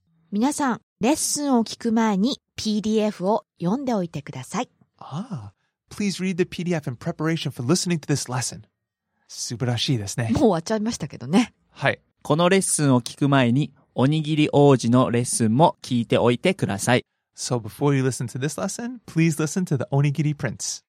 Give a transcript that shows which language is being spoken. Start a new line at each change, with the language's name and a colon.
Japanese: 皆さん、レッスンを聞く前に PDF を読んでおいてください。
English: Ah, please read the PDF in preparation for listening to this lesson.
Japanese: 素晴らしいですね。もう終わっちゃいましたけどね。はい。このレッスンを聞く前に、おにぎり王子のレッスンも聞いておいてください。
English: So before you listen to this lesson, please listen to the Onigiri Prince.